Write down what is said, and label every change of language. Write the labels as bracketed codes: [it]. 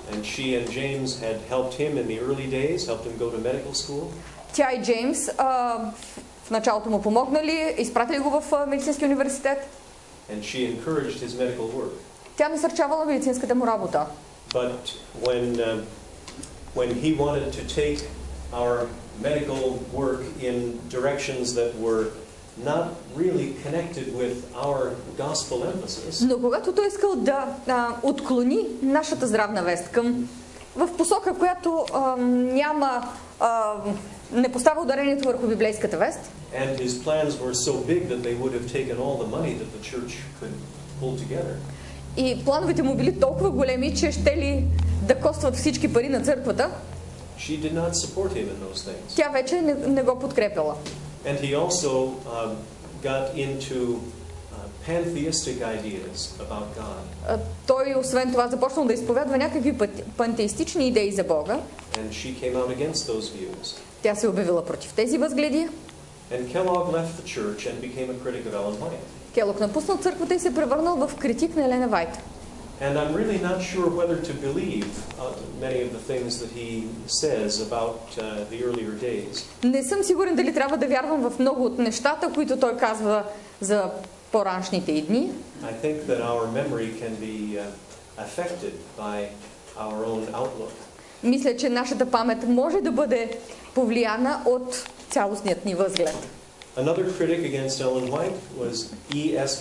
[en] And she and James had helped him in the early days, helped him go to medical school. [bg] Тя и Джеймс в началото му помогнали, изпратили го в медицински университет. [en] And she encouraged his medical work. [bg] Тя насърчавала медицинската му работа. [en] But when when he wanted to take our medical work in directions that were not really connected with our gospel emphasis. [bg] Но когато той искал да отклони нашата здравна вест към в посока, която няма не поставя ударението върху библейската вест. [en] And his plans were so big that they would have taken all the money that the church could pull together. [bg] И плановете му били толкова големи, че ще ли да костват всички пари на църквата. [en] She did not support him in those things. [bg] Тя вече не го подкрепила. [en] And he also got into pantheistic ideas about God. [bg] Той освен това започнал да изповядва някакви пантеистични идеи за Бога. [en] And she came out against those views. [bg] Тя се обявила против тези възгледи. [en] And Kellogg left the church and became a critic of Ellen White. [bg] Келог напуснал църквата и се превърнал в критик на Елена Вайт. [en] And I'm really not sure whether to believe many of the things that he says about the earlier days. [bg] Не съм сигурен дали трябва да вярвам в много от нещата, които той казва за по-раншните дни. [en] I think that our memory can be affected by our own outlook. [bg] Мисля, че нашата памет може да бъде повлияна от цялостният ни възглед. [en] Another critic against Ellen White was E.S.